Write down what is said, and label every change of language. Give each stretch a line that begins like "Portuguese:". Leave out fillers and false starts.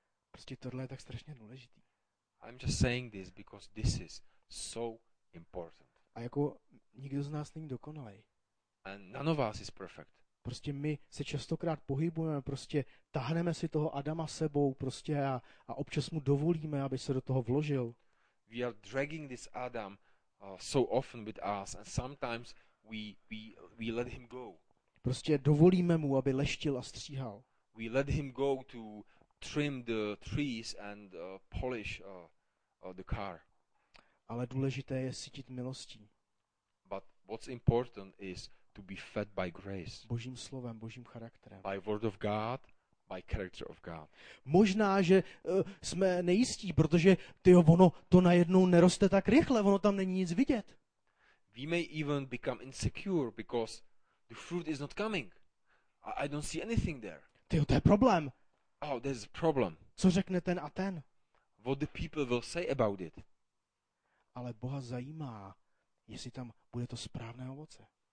Czech: Prostě tohle je tak strašně důležitý.
English: I'm just saying this because this is so important.
Czech: A jako nikdo z nás není dokonalý.
English: And none of us is perfect.
Czech: Prostě my se častokrát pohybujeme, prostě tahneme si toho Adama sebou, prostě a občas mu dovolíme, aby se do toho vložil.
English: We are dragging this Adam so often with us and sometimes we let him go.
Czech: Prostě dovolíme mu, aby leštil a stříhal.
English: We let him go to trim the trees and polish the car.
Czech: Ale důležité je cítit milostí.
English: But what's important is to be fed by grace.
Czech: Božím slovem, Božím charakterem.
English: By word of God, by character of God.
Czech: Možná, že jsme nejistí, protože tyjo, ono to najednou neroste tak rychle, ono tam není nic vidět.
English: We may even become insecure because the fruit is not coming. I don't see anything there.
Czech: Tyjo, to je problém.
English: Oh, there's a problem.
Czech: Co řekne ten a ten?
English: What the people will say about it?
Czech: Ale Boha zajímá, jestli tam bude to správné ovoce.